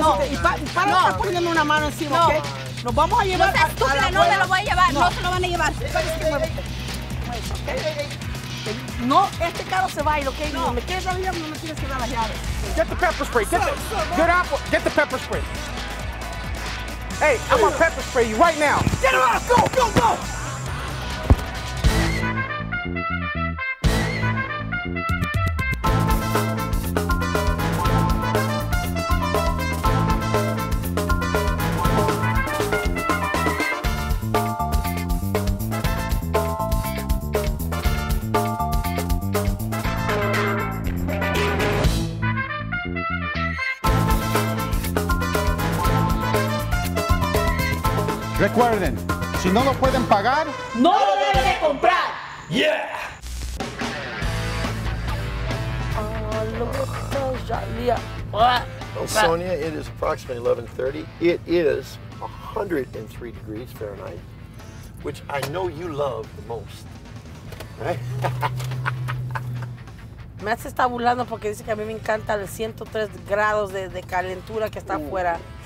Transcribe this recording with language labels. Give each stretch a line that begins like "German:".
Spanish: Para de estar poniéndome una mano encima, ¿ok? Nos vamos a llevar. No, estúpida, no me lo voy a llevar. No se lo van a llevar. No, este carro se va a ir, ¿ok? No, me quedes arriba, no me tienes que dar las llaves.
English: Get the pepper spray. Get apple. Get the pepper spray. Hey, I'm gonna pepper spray you right now. Get him out! Go, go, go!
Spanish: Recuerden, si no lo pueden pagar, ¡no lo deben de comprar!
English: ¡Yeah! Well, Sonia, it is approximately 11:30. It is 103 degrees Fahrenheit, which I know you love the most, right?
Spanish: Me hace estar burlando porque dice que a mí me encanta el 103 grados de calentura que está afuera.